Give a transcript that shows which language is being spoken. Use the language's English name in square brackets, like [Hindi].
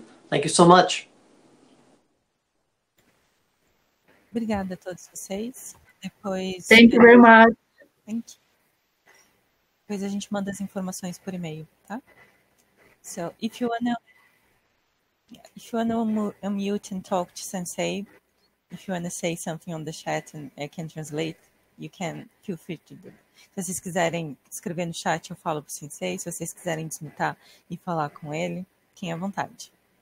[English] Thank you so much. [Portuguese] Obrigada a todos vocês. Depois. [English] Thank you very much. Thank you. [Portuguese] Depois a gente manda as informações por e-mail, tá? [English] So, if you wanna unmute and talk to Sensei, if you wanna say something on the chat and I can translate, you can feel free to do. [Portuguese] Se vocês quiserem escrever no chat, eu falo pro Sensei. Se vocês quiserem desmutar e falar com ele, fiquem à vontade.